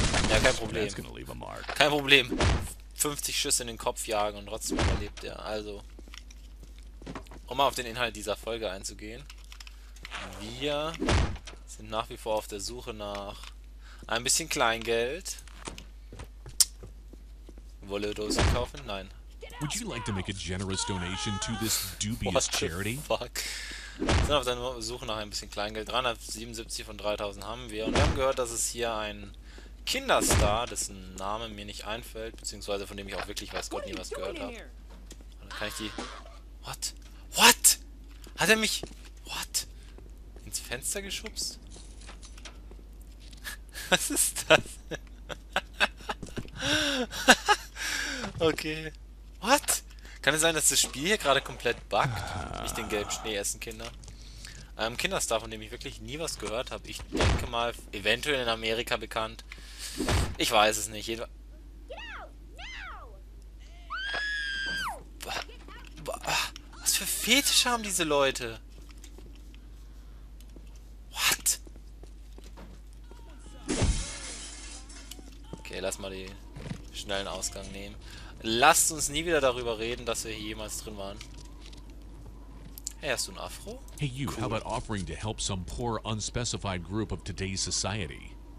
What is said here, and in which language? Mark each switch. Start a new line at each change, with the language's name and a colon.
German: Ja, kein Problem. Kein Problem. 50 Schüsse in den Kopf jagen und trotzdem überlebt er. Also, um mal auf den Inhalt dieser Folge einzugehen. Wir sind nach wie vor auf der Suche nach ein bisschen Kleingeld. Wolle Dose kaufen? Nein.
English: Would you like to make a generous donation to this dubious charity? Fuck.
German: Wir sind auf der Suche nach ein bisschen Kleingeld. 377 von 3000 haben wir. Und wir haben gehört, dass es hier einen Kinderstar, dessen Name mir nicht einfällt, beziehungsweise von dem ich auch wirklich weiß Gott nie was gehört habe. Dann kann ich die...
English: What? What?
German: Hat er mich...
English: What?
German: Ins Fenster geschubst? Was ist das?
English: Okay. What?
German: Kann es sein, dass das Spiel hier gerade komplett buggt? Nicht den gelben Schnee essen, Kinder. Kinderstar, von dem ich wirklich nie was gehört habe. Ich denke mal, eventuell in Amerika bekannt. Ich weiß es nicht. Was für Fetische haben diese Leute?
English: What?
German: Okay, lass mal den schnellen Ausgang nehmen. Lasst uns nie wieder darüber reden, dass wir hier jemals drin waren. Hey, hast du ein Afro?
English: Hey, you, cool. How about offering to help some poor unspecified group of today's society?